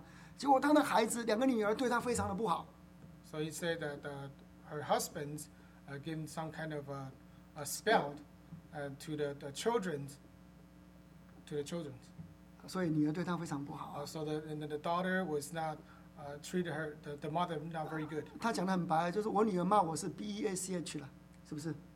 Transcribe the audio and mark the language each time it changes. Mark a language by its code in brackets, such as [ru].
[zh] 他说呢，他说他先生啊，给他的孩子啊下符啊，结果他的孩子两个女儿对他非常的不好。 [en] So he said that her husband gave some kind of a spell to the children. To the children. [zh] 所以女儿对他非常不好。 [en] So the daughter was not treated her the mother not very good. [zh] 他讲得很白，就是我女儿骂我是 bash 了，是不是？